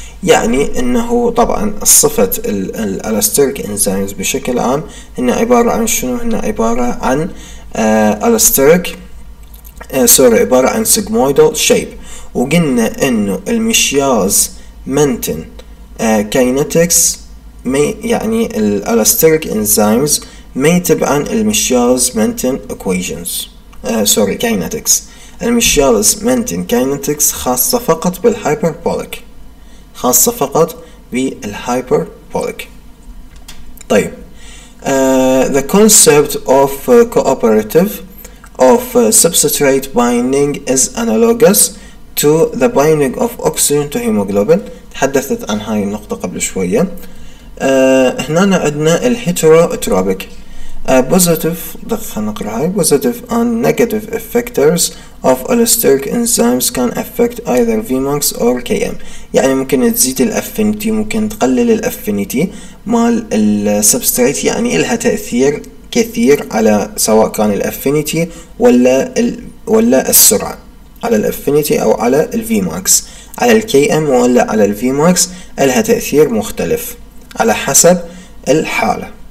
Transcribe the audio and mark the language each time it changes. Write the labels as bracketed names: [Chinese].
[Arabic] يعني انه طبعا صفة الالستيريك انزيمز بشكل عام هنا عبارة عن شنو؟ هنا عبارة عن الستيريك عبارة عن سيجمويدال شيب، وقلنا انه المشياز منتن كاينتكس يعني الالستيريك انزيمز ما يتبع عن المشياز منتن اكويجنز كاينتكس. المشياز منتن كاينتكس خاصة فقط بالهايبربوليك، خاصة فقط بالهايبربوليك. [English] طيب the concept of cooperative of substrate binding is analogous to the binding of oxygen to hemoglobin. [Arabic] تحدثت عن هاي النقطة قبل شوية. هنا عندنا الهيتروتروبيك [English] positive and negative effectors of allosteric enzymes can affect either Vmax or Km. [Arabic] يعني ممكن تزيد الأفينيتي، ممكن تقلل الأفينيتي مال السبستريت، يعني لها تأثير كثير على سواء كان الأفينيتي ولا السرعة على الأفينيتي أو على Vmax، على Km ولا على Vmax لها تأثير مختلف على حسب الحالة.